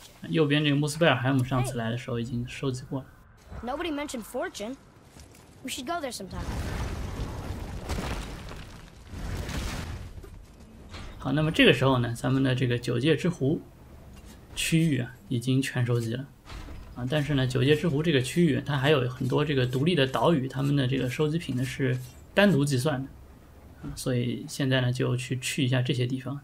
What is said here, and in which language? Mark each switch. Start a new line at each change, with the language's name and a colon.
Chinese: 右边这个穆斯贝尔海姆上次来的时候已经收集过了。
English: Nobody mentioned fortune. We should go there sometime.
Chinese: 好，那么这个时候呢，咱们的这个九界之湖区域已经全收集了。但是呢，九界之湖这个区域它还有很多这个独立的岛屿，他们的这个收集品呢是单独计算的，所以现在呢就去一下这些地方。